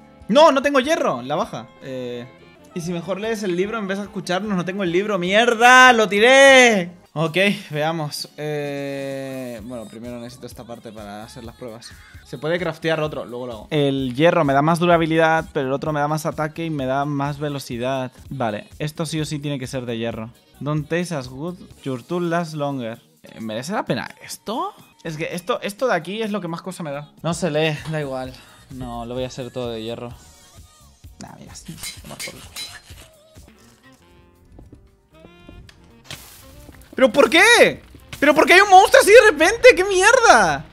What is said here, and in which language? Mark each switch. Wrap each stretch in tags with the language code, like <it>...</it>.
<es>¡No! ¡No tengo hierro! La baja. Y si mejor lees el libro en vez de escucharnos, no tengo el libro. ¡Mierda! ¡Lo tiré! Ok, veamos. Bueno, primero necesito esta parte para hacer las pruebas. Se puede craftear otro, luego lo hago. El hierro me da más durabilidad, pero el otro me da más ataque y me da más velocidad. Vale, esto sí o sí tiene que ser de hierro.</es> <en>Don't taste as good, your tool lasts longer.</en> <es>¿Merece la pena esto? Es que esto de aquí es lo que más cosa me da. No se lee, da igual. No, lo voy a hacer todo de hierro. Nah, mira, tomar por culo. ¿Pero por qué? ¿Pero por qué hay un monstruo así de repente? ¡Qué mierda!</es>